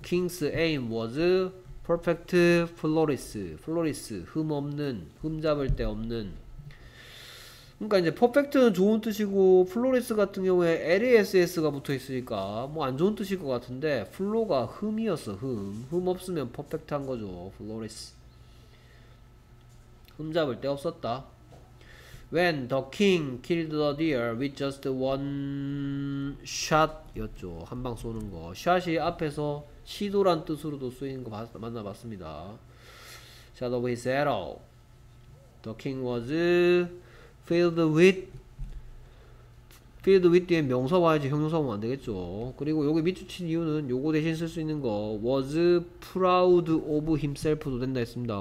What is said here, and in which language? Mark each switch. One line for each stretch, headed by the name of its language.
English: King's aim was perfect flourish. Flourish,
Korean: 흠 없는, 흠 잡을 데 없는. 그러니까 이제 퍼펙트는 좋은 뜻이고 플로리스 같은 경우에 LASS가 붙어 있으니까 뭐안 좋은 뜻일 것 같은데 플로가 흠이었어. 흠 없으면 퍼펙트한 거죠. 플로리스 흠 잡을 데 없었다.
English: When the king killed the deer with just one shot였죠.
Korean: 한방 쏘는 거. 샷이 앞에서 시도란 뜻으로도 쓰이는 거 만나봤습니다.
English: Shot of his arrow. The king was filled with
Korean: 뒤에 명사 봐야지 형용사 보면 안 되겠죠. 그리고 여기 밑줄 친 이유는 요거 대신 쓸수 있는 거
English: was proud of himself
Korean: 도 된다 했습니다.